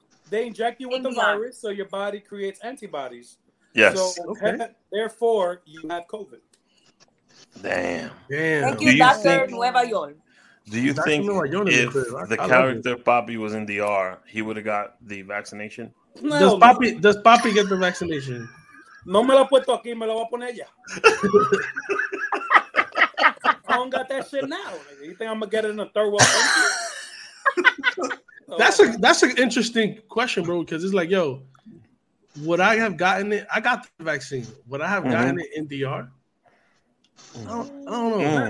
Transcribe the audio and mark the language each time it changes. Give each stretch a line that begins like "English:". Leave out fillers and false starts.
English: They inject you with the virus, so your body creates antibodies. Yes. So therefore, you have COVID. Damn. Thank you, Doctor Nueva Yol. Do you think if the character Poppy was in DR, he would have got the vaccination? No, does Poppy get the vaccination?
Spanish: No me la puesto aquí, me la voy a poner ya.
English: I don't got that shit now. You think I'm going to get it in a third world country? That's an interesting question, bro, because it's like, yo, would I have gotten it? I got the vaccine. Would I have gotten it in DR? I don't know.